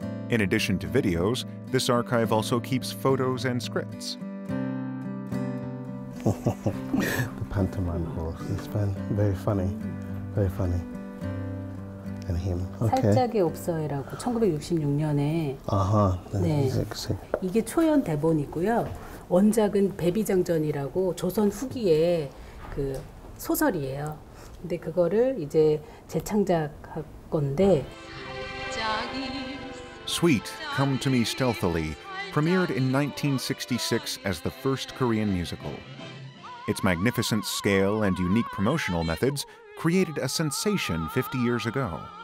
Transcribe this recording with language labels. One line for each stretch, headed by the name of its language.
English: In addition to videos, this archive also keeps photos and scripts. The pantomime horse. It's been very funny, very funny. And him. Okay.
Korean: 살짝의 옥서회라고 1966년에. 아하. 네. 이게 초연 대본이고요. 원작은 배비장전이라고 조선 후기의 그 소설이에요. 근데 그거를 이제 재창작할 건데.
English: Sweet, Come to Me Stealthily premiered in 1966 as the first Korean musical. Its magnificent scale and unique promotional methods created a sensation 50 years ago.